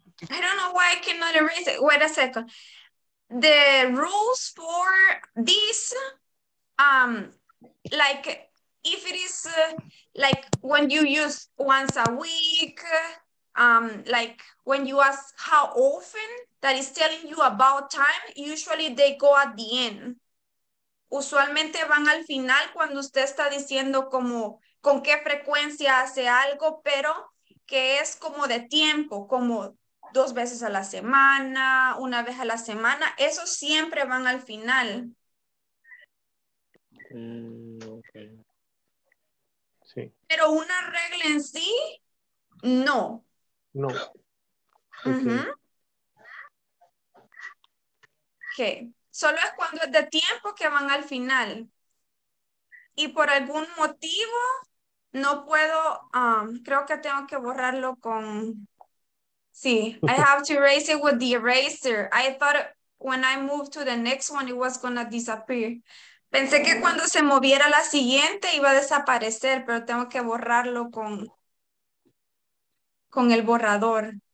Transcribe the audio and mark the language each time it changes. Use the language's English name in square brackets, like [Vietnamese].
[English] I don't know why I cannot erase it. Wait a second. The rules for this, like if it is like when you use once a week, like when you ask how often, that is telling you about time, usually they go at the end. [Spanish] Usualmente van al final cuando usted está diciendo como con qué frecuencia hace algo, pero que es como de tiempo, como dos veces a la semana, una vez a la semana, eso siempre van al final. Okay. Sí. Pero una regla en sí, no. No. Okay. Okay. Solo es cuando es de tiempo que van al final. Y por algún motivo, no puedo, creo que tengo que borrarlo con, sí, [English] I have to erase it with the eraser. I thought when I moved to the next one, it was going to disappear. [Spanish] Pensé que cuando se moviera la siguiente iba a desaparecer, pero tengo que borrarlo con el borrador.